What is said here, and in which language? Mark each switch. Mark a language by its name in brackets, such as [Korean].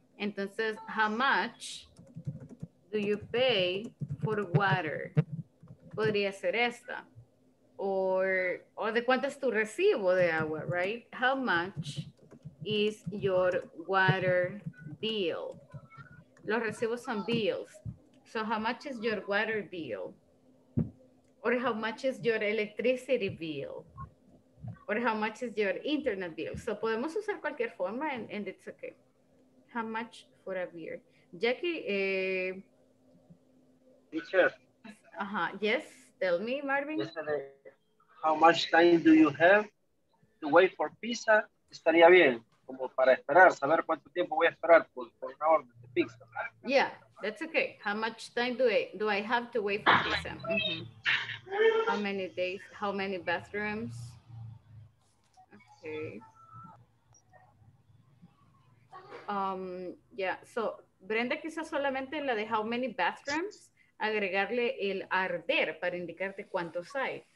[Spanish] Entonces, [English] how much do you pay for water? [Spanish] Podría ser esta. O de cuánto es tu recibo de agua, [English] right? How much is your water bill? [Spanish] Los recibos son bills. [English] So how much is your water bill? Or how much is your electricity bill? Or how much is your internet bill? So [Spanish] podemos usar cualquier forma [English] and it's okay. How much for a beer? Jackie, teacher. Uh-huh. Yes, tell me, Marvin. Yesterday, how much time do you have to wait for pizza? [Spanish] Estaría bien. Como para esperar, saber cuánto tiempo voy a esperar por una orden de pizza. [English] Yeah, that's okay. How much time do I have to wait for pizza? Mm-hmm. How many days? How many bathrooms? Okay. [Spanish] Yeah, so Brenda quizás solamente la de [English] how many bathrooms, [Spanish] agregarle el [English] are there [Spanish] para indicarte cuántos hay.